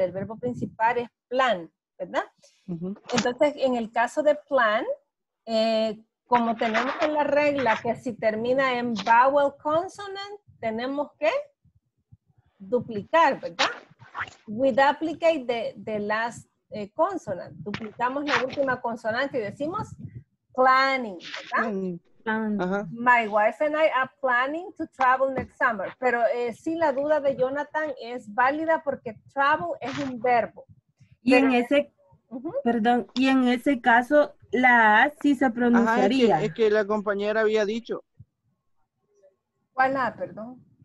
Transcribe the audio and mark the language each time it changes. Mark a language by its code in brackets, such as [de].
[es] El verbo principal es plan, ¿verdad? Uh-huh. Entonces, en el caso de plan, como tenemos en la regla que si termina en vowel consonant, tenemos que duplicar, ¿verdad? [en] We duplicate the last consonant. [es] Duplicamos la última consonante y decimos planning, ¿verdad? [en] My wife and I are planning to travel next summer. [es] Pero sí, la duda de Jonathan es válida porque travel es un verbo. Y en ese, perdón, y en ese caso la A sí se pronunciaría. Ajá, es que la compañera había dicho. ¿Cuál A, perdón?